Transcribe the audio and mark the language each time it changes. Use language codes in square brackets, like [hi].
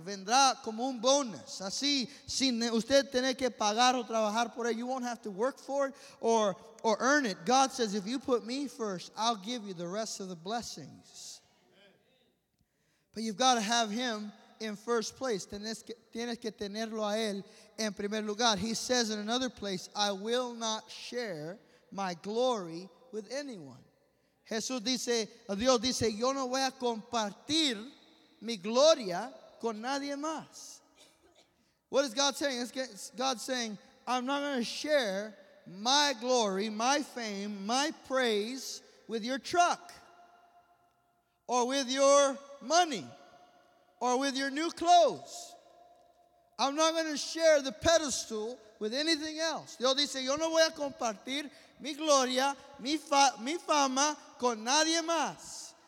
[es] Vendrá como un bonus. Así, sin usted tener que pagar o trabajar por ello. [en] You won't have to work for it or earn it. God says, if you put me first, I'll give you the rest of the blessings. But you've got to have him in first place. [es] Tienes que tenerlo a él en primer lugar. [en] He says in another place, I will not share my glory with anyone. [es] Jesús dice, Dios dice, yo no voy a compartir mi gloria con nadie más. [en] What is God saying? God's saying, I'm not going to share my glory, my fame, my praise with your truck or with your money or with your new clothes. I'm not going to share the pedestal with anything else. [es] Dios dice, yo no voy a compartir mi gloria, mi fama con nadie más.